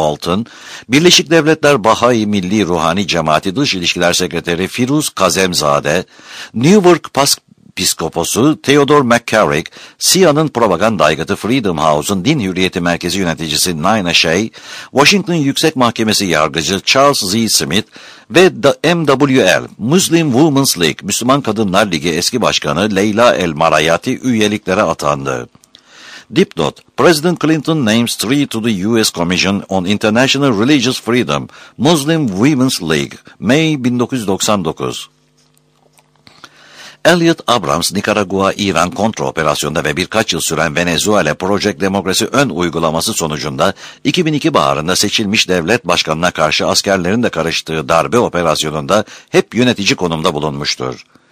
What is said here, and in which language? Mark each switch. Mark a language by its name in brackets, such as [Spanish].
[Turkish] Bolton, Birleşik Devletler Bahai Milli Ruhani Cemaati Dış İlişkiler Sekreteri Firuz Kazemzade, Newark Piskoposu Theodore McCarrick, CIA'nın propaganda aygıtı Freedom House'un din hürriyeti merkezi yöneticisi Nina Shea, Washington Yüksek Mahkemesi yargıcı Charles Z. Smith ve MWL, Muslim Women's League, Müslüman Kadınlar Ligi eski başkanı Leyla El Marayati üyeliklere atandı. [English] Dipnot, President Clinton names three to the U.S. Commission on International Religious Freedom, Muslim Women's League, May 1999. [Turkish] Elliot Abrams, Nikaragua-İran kontra operasyonda ve birkaç yıl süren Venezuela Project Demokrasi ön uygulaması sonucunda 2002 baharında seçilmiş devlet başkanına karşı askerlerin de karıştığı darbe operasyonunda hep yönetici konumda bulunmuştur.